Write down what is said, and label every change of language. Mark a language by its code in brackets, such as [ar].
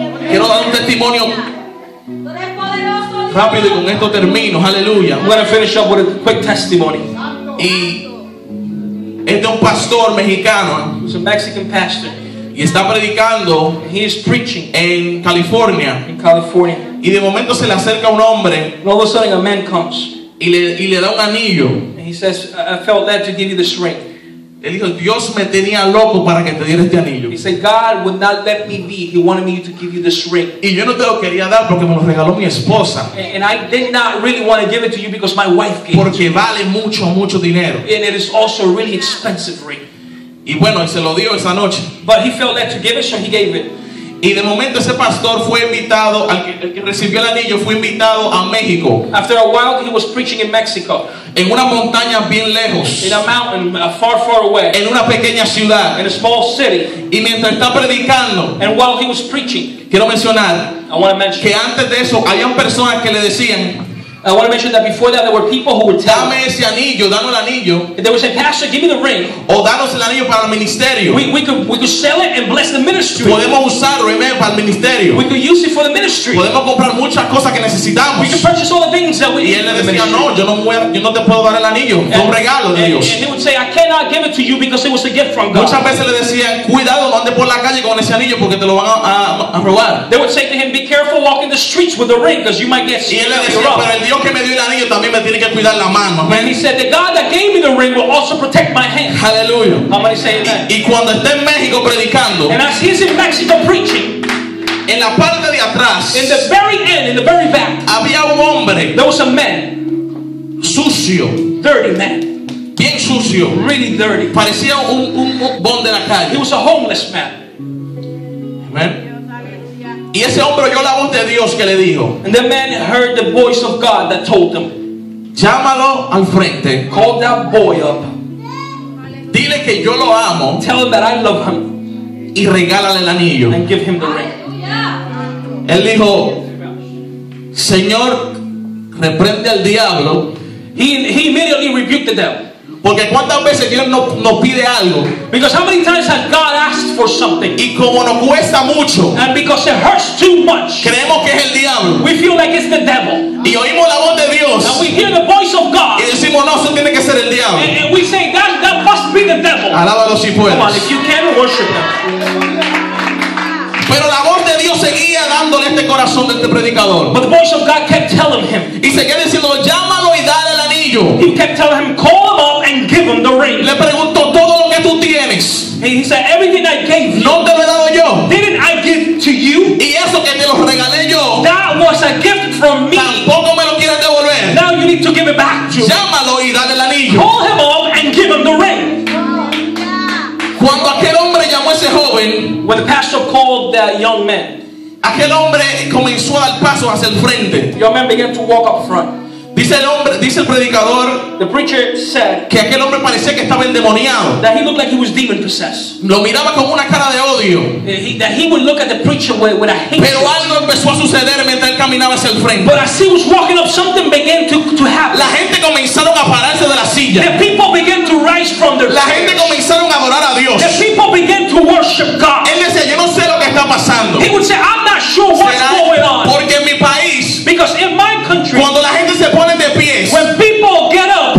[es] Quiero dar un testimonio rápido y con esto termino. Aleluya. [en] I'm going to finish up with a quick testimony. [es] Y es de un pastor mexicano. [en] He's a Mexican pastor. [es] Y está predicando. [en] He is preaching. [es] En California. [en] In California. [es] Y de momento se le acerca un hombre. [en] And all of a sudden a man comes. [es] Y le da un anillo. [en] And he says, I felt led to give you this ring. [es] Él dijo, Dios me tenía loco para que te diera este anillo. [en] He said, God would not let me be. He wanted me to give you this ring. [es] Y yo no te lo quería dar porque me lo regaló mi esposa. [en] And I did not really want to give it to you because my wife gave [es] porque [en] it to [es] vale [en] me. [es] Mucho, mucho dinero. [en] And it is also a really expensive ring. [es] Y bueno, se lo dio esa noche. [en] But he felt led to give it, so he gave it. [es] Y de momento ese pastor fue invitado, el que recibió el anillo fue invitado a México. [en] After a while he was preaching in Mexico. [es] En una montaña bien lejos. [en] In a mountain far, far away. [es] En una pequeña ciudad. [en] In a small city. [es] Y mientras está predicando. [en] And while he was preaching. [es] Quiero mencionar. [en] I want to mention. [es] Que antes de eso había personas que le decían. [en] I want to mention that before that there were people who would tell. [es] Dame ese anillo, dame el anillo. [en] They would say, Pastor, give me the ring. [es] O danos el anillo para el ministerio. [en] We could sell it and bless the ministry. [es] Podemos usarlo, amen, para el ministerio. [en] We could use it for the ministry. [es] Podemos comprar muchas cosas que necesitamos. [en] We could purchase all the things that we need. [es] Y él le decía, no, yo no te puedo dar el anillo. Es un regalo de Dios. [en] And he would say, I cannot give it to you because it was a gift from God. [es] Muchas veces le decían, cuidado, no andes por la calle con ese anillo porque te lo van a robar. [en] They would say to him, be careful walking the streets with the ring because you might get [es] seen. Y él le decía, pero el Dios que me dio el anillo también me tiene que cuidar la mano. [en] Man, he said the God that gave me the ring will also protect my hand. Hallelujah. How many say that? [es] Y cuando esté en México predicando. [en] And as he's in Mexico preaching. [es] En la parte de atrás. [en] In the very end, in the very back. [es] Había un hombre. [en] There was a man. [es] Sucio. [en] Dirty man. [es] Bien sucio. [en] Really dirty. [es] Parecía un bond de la calle. [en] He was a homeless man. [es] Amen. Y ese hombre oyó la voz de Dios que le dijo. [en] And the man heard the voice of God that told him. [es] Llámalo al frente. [en] Call that boy up. [es] Dile que yo lo amo. [en] Tell him that I love him. [es] Y regálale el anillo. [en] And give him the ring. [es] Él dijo, Señor, reprende al diablo. [en] He immediately rebuked the devil. [es] Porque cuántas veces Dios nos pide algo. [en] Because how many times has God asked for something? [es] Y como nos cuesta mucho. [en] And because it hurts too much. [es] Creemos que es el diablo. [en] We feel like it's the devil. [es] Y oímos la voz de Dios. [en] And we hear the voice of God. [es] Y decimos no, eso tiene que ser el diablo. [en] And we say that must be the devil. [es] Alábalo si puedes. [en] Come on, if you can, worship him. [es] Pero la voz de Dios seguía hablándole a este corazón de este predicador. [en] But the voice of God kept telling him. [es] Y seguía diciendo, llámalo y dale el anillo. [en] He kept telling him, call him up and give him the ring. [es] Le preguntó todo lo que tú tienes. [en] He said, everything I gave you. [es] No te lo he dado yo. [en] Didn't I give to you? [es] Y eso que te lo regalé yo. [en] That was a gift from me. [es] Tampoco me lo quieres devolver. [en] Now you need to give it back to. [es] Llámalo y dale el anillo. [en] Call him up and give him the ring. [es] Cuando aquel hombre llamó a ese joven, [en] when the pastor called that young man, [es] aquel hombre comenzó a dar pasos hacia el frente. [en] Young man began to walk up front. [es] Dice el hombre, dice el predicador, [en] the preacher said, [es] que aquel hombre parecía que estaba endemoniado. [en] That he looked like he was demon possessed. [es] Lo miraba con una cara de odio. [en] That he would look at the preacher with a hatred. [es] Pero algo empezó a suceder mientras él caminaba hacia el frente. [en] But as he was walking up, something began to happen. [es] La gente comenzaron a pararse de la silla. [en] The people began to rise from their [es] chairs. La gente comenzaron a adorar a Dios. [en] The people began to worship God. [es] Él decía, yo no sé lo que está pasando. [en] He would say, I'm not sure what's [es] será [en] going on. [es] Porque en mi país, [en] because in my country, [es] cuando la gente se pone de pie, [en] when people get up,